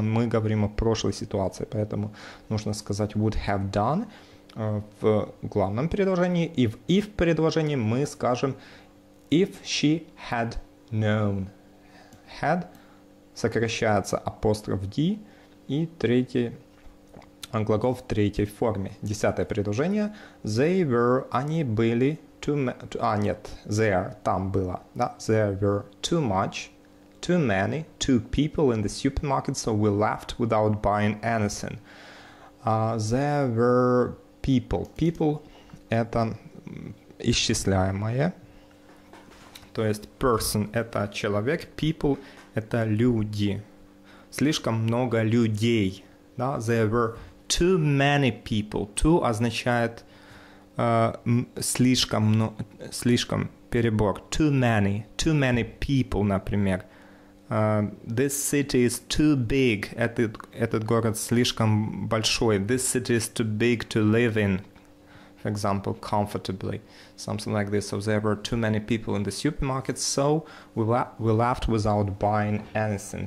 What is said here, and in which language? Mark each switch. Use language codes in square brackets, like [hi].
[ru] Мы говорим о прошлой ситуации, поэтому нужно сказать [en] would have done [ru] в главном предложении. И в if предложении мы скажем [en] if she had known. [ru] Had сокращается апостроф d и третий глагол в третьей форме. Десятое предложение. [en] They were, [ru] они были [en] there were too much, too many, too people in the supermarket, so we left without buying anything. There were people. People – [ru] это исчисляемое. То есть person – это человек, people – это люди. Слишком много людей. Да? [en] There were too many people. [ru] Too означает слишком перебор. [en] Too many people, например. This city is too big. [ru] Этот город слишком большой. [en] This city is too big to live in. For example, comfortably. Something like this. So there were too many people in the supermarket, so we left without buying anything.